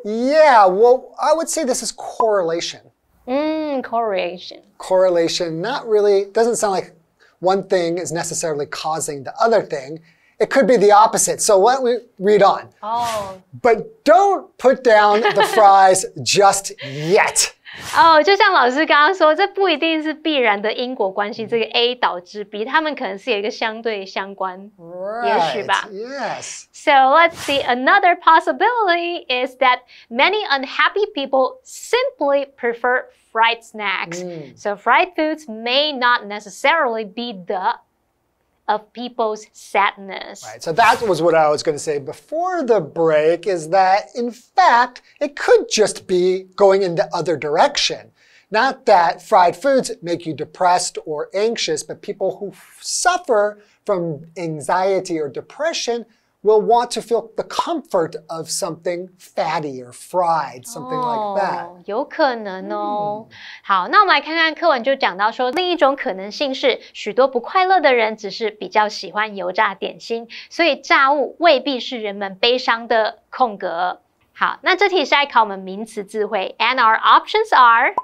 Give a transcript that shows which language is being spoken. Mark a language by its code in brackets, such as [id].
[en] Yeah, well, I would say this is correlation. Correlation. Correlation, not really, doesn't sound like one thing is necessarily causing the other thing. It could be the opposite. So why don't we read on? Oh. But don't put down the fries just yet. [zh] Oh, 就像老师刚刚说，这不一定是必然的因果关系，这个 A 导致 B, 他们可能是有一个相对相关。 [en] Right, [zh] 也许吧。 [en] Yes. So let's see, another possibility is that many unhappy people simply prefer fried snacks. So fried foods may not necessarily be the of people's sadness. Right, so that was what I was going to say before the break, is that in fact, it could just be going in the other direction. Not that fried foods make you depressed or anxious, but people who suffer from anxiety or depression will want to feel the comfort of something fatty or fried, something like that. [zh] 有可能哦。好，那我们来看看课文就讲到说，另一种可能性是许多不快乐的人只是比较喜欢油炸点心，所以炸物未必是人们悲伤的空格。好，那这题是在考我们名词智慧。 [en] And our options are